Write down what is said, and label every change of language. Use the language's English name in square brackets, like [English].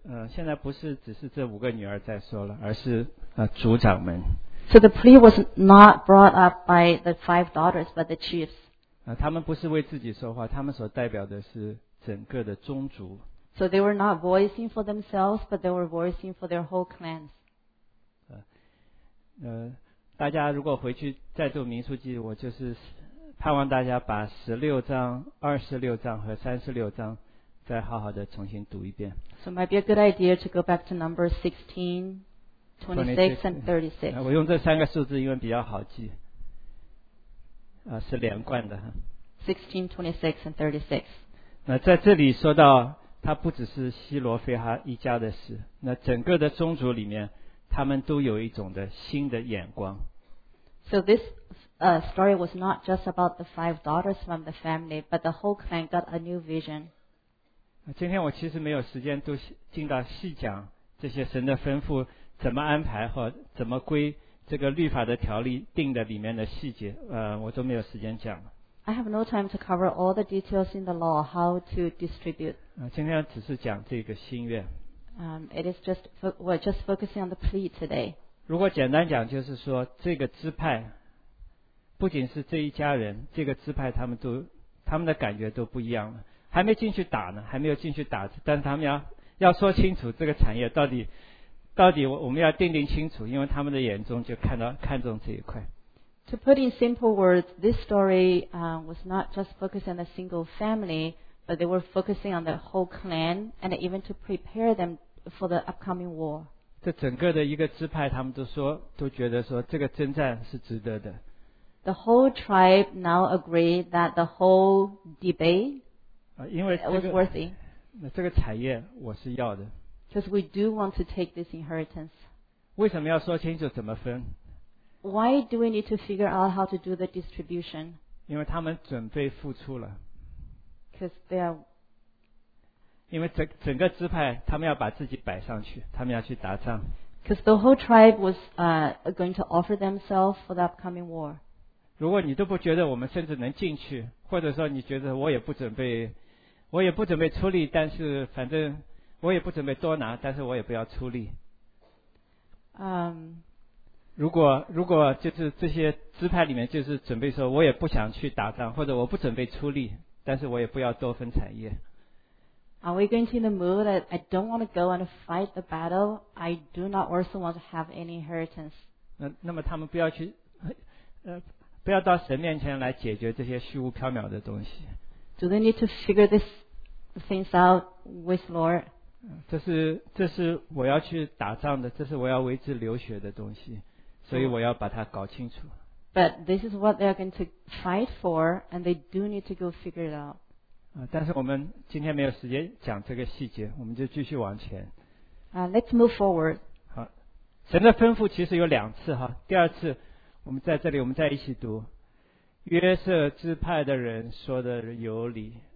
[Chinese] 现在不是只是这五个女儿在说了，而是族长们。 [English] So the plea was not brought up by the five daughters, but the chiefs. [Chinese] 他们不是为自己说话，他们所代表的是整个的宗族。 [English] So they were not voicing for themselves, but they were voicing for their whole clans. [Chinese] 大家如果回去再读民数记，我就是盼望大家把16章、26章和36章。再好好的重新读一遍。 [English] So it might be a good idea to go back to numbers 16, 26, and 36. [Chinese] 我用这三个数字因为比较好记，是连贯的。 [English] 16, 26, and 36. [Chinese] 那在这里说到，它不只是西罗非哈一家的事，那整个的宗族里面，他们都有一种的新的眼光。 [English] So this story was not just about the five daughters from the family, but the whole clan got a new vision. [Chinese] 今天我其实没有时间都进到细讲这些神的吩咐怎么安排或怎么归这个律法的条例定的里面的细节，我都没有时间讲了。 [English] I have no time to cover all the details in the law, how to distribute. [Chinese] 今天只是讲这个心愿。 [English] It is just we're just focusing on the plea today. [Chinese] 如果简单讲，就是说这个支派不仅是这一家人，这个支派他们的感觉都不一样了。还没进去打呢，还没有进去打，但是他们要说清楚这个产业到底我们要定清楚，因为他们的眼中就看中这一块。 [English] To put in simple words, this story was not just focusing on a single family, but they were focusing on the whole clan and even to prepare them for the upcoming war. [Chinese] 这整个的一个支派，他们都觉得说这个征战是值得的。 [English] The whole tribe now agreed that the whole debate. [Chinese] 因为这个产业我是要的。 [English] Because we do want to take this inheritance. [Chinese] 为什么要说清楚怎么分？ [English] Why do we need to figure out how to do the distribution? [Chinese] 因为他们准备付出了。 [English] Because they are. [Chinese] 因为整个支派他们要把自己摆上去，他们要去打仗。 [English] Because the whole tribe was going to offer themselves for the upcoming war. [Chinese] 如果你都不觉得我们甚至能进去，或者说你觉得我也不准备出力，但是反正我也不准备多拿，但是我也不要出力。如果就是这些支派里面就是准备说我也不想去打仗，或者我不准备出力，但是我也不要多分产业。 [English] Are we going to the mood that I don't want to go and fight the battle? I do not also want to have any inheritance. [Chinese] 那么他们不要去不要到神面前来解决这些虚无缥缈的东西。 [English] Do they need to figure these things out with Lord? [Chinese] 这是我要去打仗的，这是我要为之流血的东西，所以我要把它搞清楚。 [English] But this is what they are going to fight for, and they do need to go figure it out. [Chinese] 但是我们今天没有时间讲这个细节，我们就继续往前。 [English] Let's move forward. [Chinese] 好，神的吩咐其实有两次哈，第二次。我们在这里，我们再一起读。约瑟支派的人说的有理，